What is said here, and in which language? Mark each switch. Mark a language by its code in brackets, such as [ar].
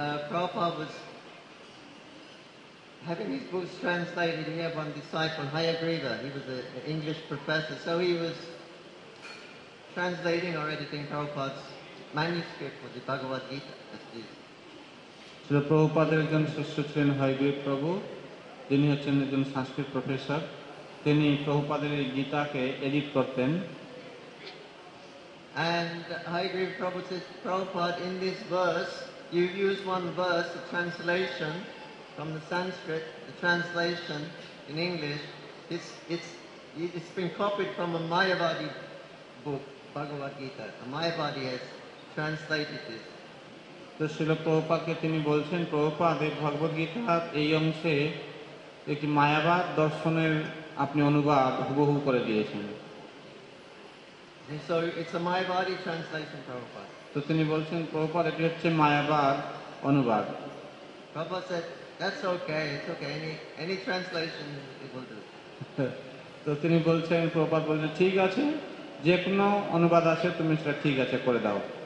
[en] Prabhupada was having his books translated, he had one disciple, Hayagriva. He was an English professor, so he was translating or editing Prabhupada's manuscript for the Bhagavad Gita as it is. Srila Prabhupada is a Sanskrit and Hayagriva Prabhu. [bn] তিনি হচ্ছেন একজন সংস্কৃত professor, তিনি প্রভুপাদের গীতাকে edit করতেন। [en] And I agree with Prabhupada, in this verse, you use one verse, a translation from the Sanskrit, the translation in English, it's been copied from a Mayavadi book, Bhagavad Gita. A Mayavadi has translated this. [bn] তো শ্রীল প্রভুপাদকে তিনি বলছেন, প্রভুপাদ এই ভগবদ গীতার এই অংশে একটি মায়াবাদ দর্শনের আপনি অনুবাদ হুবহু করে দিয়েছেন। [en] So it's a Mayavadi translation, Prabhupada. [bn] তো তিনি বলছেন প্রভুপাদ এটি হচ্ছে মায়াবাদ অনুবাদ। [en] Prabhupada said, that's okay, it's okay, any translation it will do. [bn] তো তিনি বলছেন প্রভুপাদ বলছেন ঠিক আছে যে কোনো অনুবাদ আছে তুমি সেটা ঠিক আছে করে দাও।